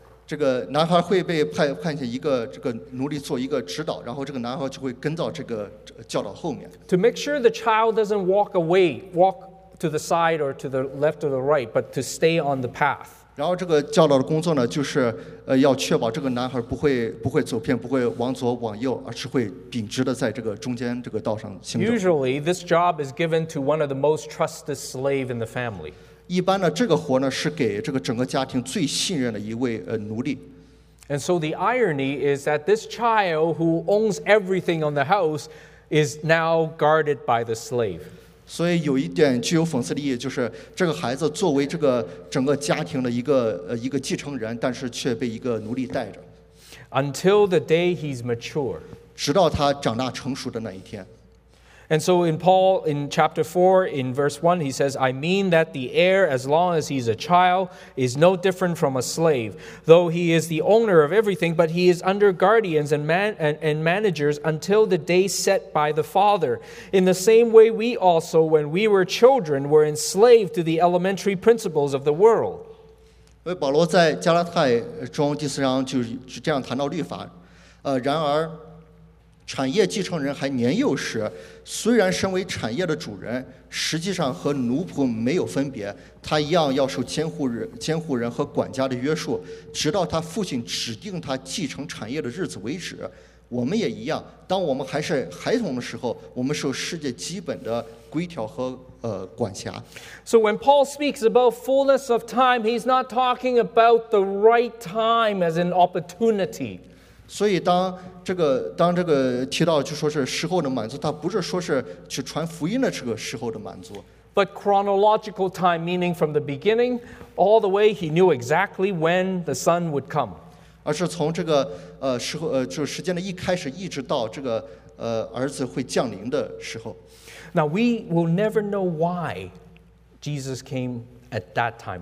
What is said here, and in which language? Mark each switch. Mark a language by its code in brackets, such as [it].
[zh] 这个男孩会被派遣一个这个奴隶做一个指导，然后这个男孩就会跟到这个教导后面。 [en] To make sure the child doesn't walk to the side or to the left or the right, but to stay on the path. [zh] 然后这个教导的工作呢，就是要确保这个男孩不会走偏，不会往左往右，而是会秉直的在这个中间这个道上行走。 [en] Usually, this job is given to one of the most trusted slaves in the family. [zh] 一般呢，这个活呢是给这个整个家庭最信任的一位奴隶。 [en] And so the irony is that this child who owns everything on the house is now guarded by the slave. [zh] 所以有一点具有讽刺的意义，就是这个孩子作为这个整个家庭的一个继承人，但是却被一个奴隶带着。 [en] Until the day he's mature. [zh] 直到他长大成熟的那一天。 [en] And so in Paul, in chapter 4, in verse 1, he says, I mean that the heir, as long as he's a child, is no different from a slave, though he is the owner of everything, but he is under guardians and managers until the day set by the father. In the same way, we also, when we were children, were enslaved to the elementary principles of the world. [zh] 因为保罗在加拉太中第四章就这样谈到律法，然而产业继承人还年幼时，虽然身为产业的主人，实际上和奴仆没有分别，他一样要受监护人和管家的约束，直到他父亲指定他继承产业的日子为止。我们也一样，当我们还是孩童的时候，我们受世界基本的规条和管辖。 [en] So when Paul speaks about fullness of time, he's not talking about the right time as an opportunity. [zh] 所以当这个提到就说是时候的满足，他不是说是去传福音的这个时候的满足。 [en] But chronological time, meaning from the beginning all the way, he knew exactly when the Son would come. [zh] 而是从这个时候就是时间的一开始一直到这个儿子会降临的时候。 [en] Now we will never know why Jesus came at that time.